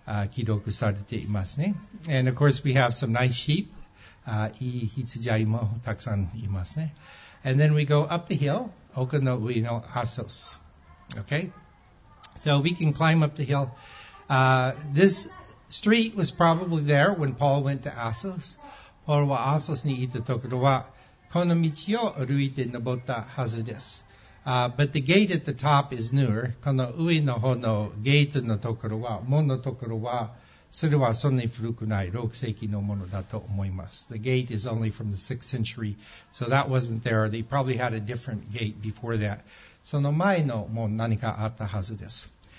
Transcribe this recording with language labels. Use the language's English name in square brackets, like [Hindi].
[Japanese] 記録されていますね。 [English] And of course we have some nice sheep、 [Japanese] いい羊飼いもたくさんいますね。 [English] And then we go up the hill [Japanese] 丘の上のアソス。 [English] Okay, so we can climb up the hill、this street was probably there when Paul went to Assos. [Japanese] Paul はアソスに行ったところはこの道を歩いて登ったはずです。 [English] But the gate at the top is newer. [Japanese] この上の方のゲートのところは、門のところは、それはそんなに古くない、6世紀のものだと思います。 [English] The gate is only from the 6th century, so that wasn't there. They probably had a different gate before that. [Japanese] その前の門何かあったはずです。